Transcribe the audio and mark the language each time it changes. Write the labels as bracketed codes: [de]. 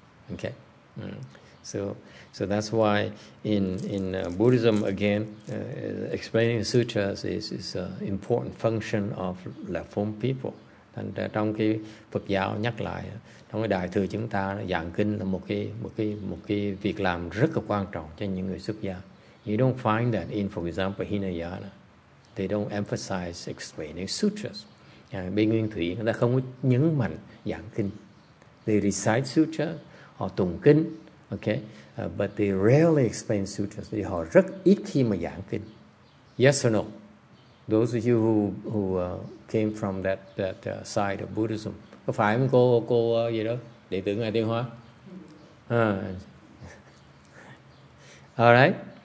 [en] Okay, so that's why in Buddhism again, explaining sutras is an important function of reformed people. [vi] And trong cái Phật giáo nhắc lại, trong cái đại thừa chúng ta giảng kinh là một cái việc làm rất là quan trọng cho những người xuất gia. [en] You don't find that in, for example, Hinayana. They don't emphasize explaining sutras. [vi] Bên Nguyên Thủy người ta không có nhấn mạnh giảng kinh. [en] They recite sutras, [vi] họ tụng kinh, okay? [en] But they rarely explain sutras. [vi] Thì họ rất ít khi mà giảng kinh. [en] Yes or no? Those of you who came from that side of Buddhism. [vi] Có phải không cô gì đó? Đệ tử ngài Tiên Hóa? [en] All right.